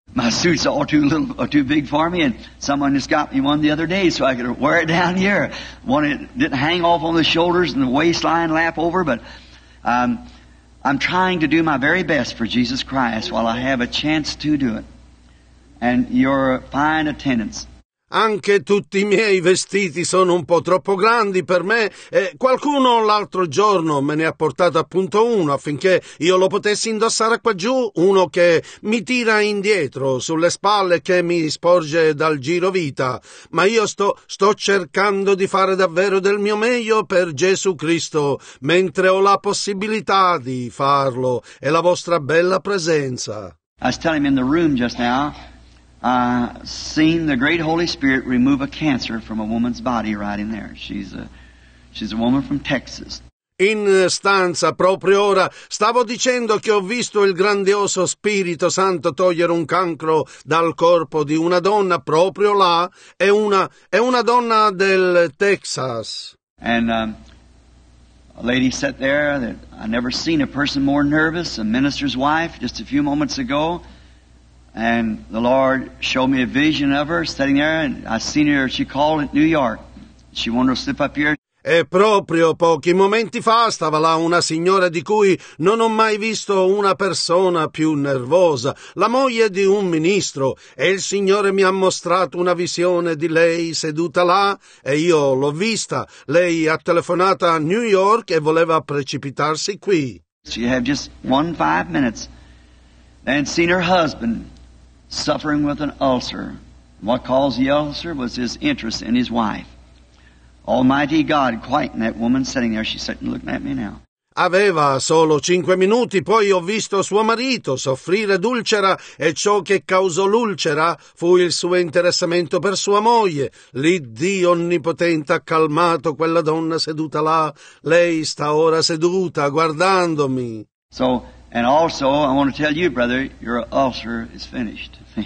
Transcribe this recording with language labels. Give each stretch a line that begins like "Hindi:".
English: My suit's all too little, or too big for me, and someone just got me one the other day so I could wear it down here. One, it didn't hang off on the shoulders and the waistline lap over, but I'm trying to do my very best for Jesus Christ while I have a chance to do it. And your fine attendance.
Italian: Anche tutti i miei vestiti sono un po' troppo grandi per me e qualcuno l'altro giorno me ne ha portato appunto uno affinché io lo potessi indossare qua giù, uno che mi tira indietro sulle spalle che mi sporge dal giro vita, ma io sto cercando di fare davvero del mio meglio per Gesù Cristo mentre ho la possibilità di farlo e la vostra bella presenza.
English: I was telling him in the room just now. Seen the great Holy Spirit remove a cancer from a woman's body right in there. She's a woman from Texas.
Italian: In stanza, proprio ora, stavo dicendo che ho visto il grandioso Spirito Santo togliere un cancro dal corpo di una donna proprio là. È una donna del Texas.
English: And a lady sat there that I never seen a person more nervous. A minister's wife just a few moments ago. And the Lord showed me a vision of her sitting there, and I seen her, she called at New York. She wanted to slip up here.
Italian: E proprio pochi momenti fa stava là una signora di cui non ho mai visto una persona più nervosa, la moglie di un ministro, e il Signore mi ha mostrato una visione di lei seduta là, e io l'ho vista. Lei ha telefonato a New York e voleva precipitarsi qui.
English: She had just 1-5 minutes, and seen her husband. Suffering with an ulcer. What caused the ulcer was his interest in his wife. Almighty God quieting that woman sitting there. She's sitting looking at me now.
Italian: Aveva solo 5 minuti, poi ho visto suo marito soffrire d'ulcera e ciò che causò l'ulcera fu il suo interessamento per sua moglie. Lì Dio Onnipotente ha calmato quella donna seduta là. Lei sta ora seduta guardandomi.
English: So... And also, I want to tell you, brother, your ulcer is finished.